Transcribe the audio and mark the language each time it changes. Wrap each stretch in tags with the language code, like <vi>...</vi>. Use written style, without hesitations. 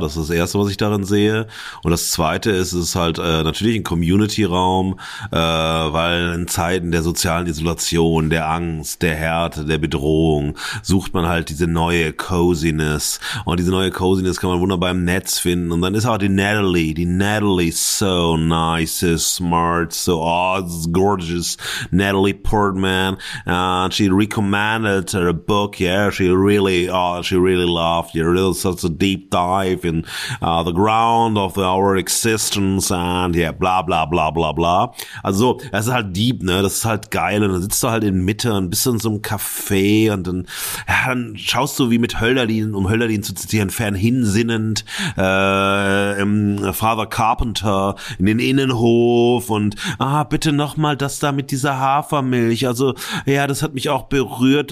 <de>Das ist das Erste, was ich darin sehe. Und das Zweite ist, es ist halt natürlich ein Community-Raum, weil in Zeiten der sozialen Isolation, der Angst, der Härte, der Bedrohung sucht man halt diese neue Coziness. Und diese neue Coziness kann man wunderbar im Netz finden. Und dann ist auch die Natalie</de> <en>so nice, so smart, so gorgeous. Natalie Portman, she recommends her a book, yeah, she really loved it. It was such a deep dive in the ground of our existence and yeah, bla bla bla bla bla.</en> <de>Also, es ist halt deep, ne, das ist halt geil und dann sitzt du halt in Mitte und bist in so einem Café und dann, ja, dann schaust du wie mit Hölderlin, um Hölderlin zu zitieren, fernhinsinnend im Father Carpenter in den Innenhof und, bitte nochmal das da mit dieser Hafermilch, also ja, das hat mich auch berührt.</de>